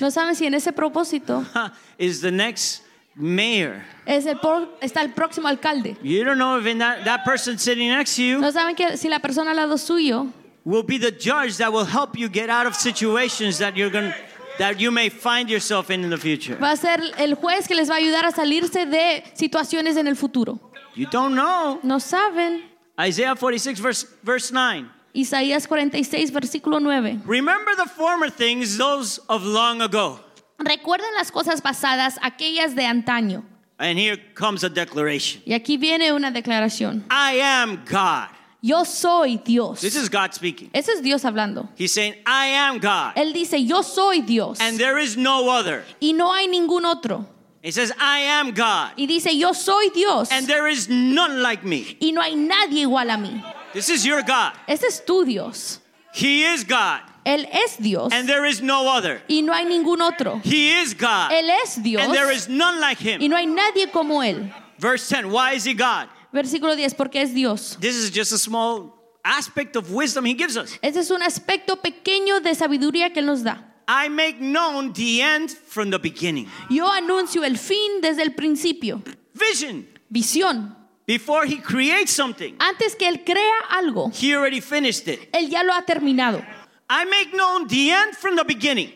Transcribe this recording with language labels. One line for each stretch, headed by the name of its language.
Spanish: No saben si en ese propósito.
English: Is the next mayor.
Spanish: Está el próximo alcalde.
English: You don't know if in that person sitting next to you.
Spanish: No saben que si la persona al lado suyo.
English: Will be the judge that will help you get out of situations that you're going that you may find yourself in the future.
Spanish: Va a ser el juez que les va a ayudar a salirse de situaciones en el futuro.
English: You don't know.
Spanish: No saben.
English: Isaiah 46 verse 9.
Spanish: Isaías 46 versículo 9.
English: Remember the former things, those of long ago.
Spanish: Recuerden las cosas pasadas, aquellas de antaño.
English: And here comes a declaration.
Spanish: Y aquí viene una declaración.
English: I am God.
Spanish: Yo soy Dios.
English: This is God speaking.
Spanish: Ese es Dios hablando.
English: He's saying, I am God.
Spanish: Él dice, yo soy Dios.
English: And there is no other.
Spanish: Y no hay ningún otro.
English: He says, I am God.
Spanish: Y dice, yo soy Dios.
English: And there is none like me.
Spanish: Y no hay nadie igual a mí.
English: This is your God.
Spanish: Ese es tu Dios.
English: He is God.
Spanish: Él es Dios.
English: And there is no other.
Spanish: Y no hay ningún otro.
English: He is God.
Spanish: Él es Dios.
English: And there is none like him.
Spanish: Y no hay nadie como él.
English: Verse 10, why is he God?
Spanish: Versículo 10, porque es Dios.
English: This is just a small aspect of wisdom he gives us.
Spanish: Ese es un aspecto pequeño de sabiduría que él nos da.
English: I make known the end from the beginning.
Spanish: Yo anuncio el fin desde el principio.
English: Vision.
Spanish: Visión.
English: Before he creates something.
Spanish: Antes que él crea algo.
English: He already finished it.
Spanish: Él ya lo ha terminado.
English: I make known the end from the beginning.